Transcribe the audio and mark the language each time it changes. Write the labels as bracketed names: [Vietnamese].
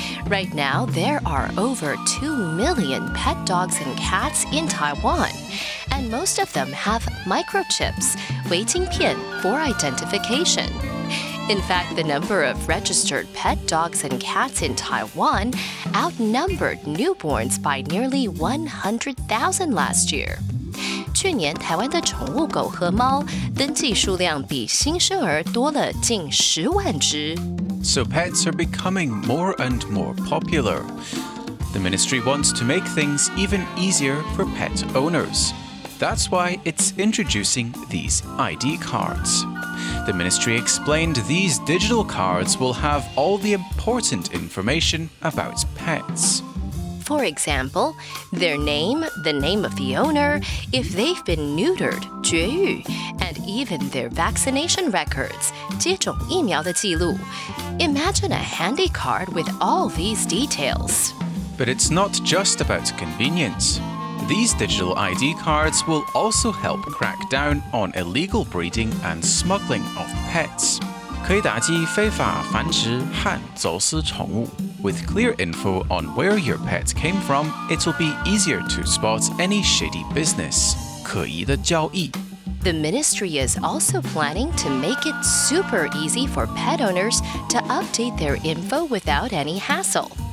[English] Right now, there are over 2 million pet dogs and cats in Taiwan, and most of them have microchips, 微晶片, for identification. In fact, the number of registered pet dogs and cats in Taiwan outnumbered newborns by nearly 100,000 last year. [Chinese] 去年台湾的宠物狗和猫登记数量比新生儿多了近十万只。 [English] So pets are becoming more and more popular. The ministry wants to make things even easier for pet owners. That's why it's introducing these ID cards. The ministry explained these digital cards will have all the important information about pets. For example, their name, the name of the owner, if they've been neutered, 绝育, and even their vaccination records, 接种疫苗的记录. Imagine a handy card with all these details. But it's not just about convenience. These digital ID cards will also help crack down on illegal breeding and smuggling of pets. [Chinese] 可以打击非法繁殖和走私宠物。 [English] With clear info on where your pet came from, it'll be easier to spot any shady business. [Chinese] 可疑的交易。 [English] The ministry is also planning to make it super easy for pet owners to update their info without any hassle.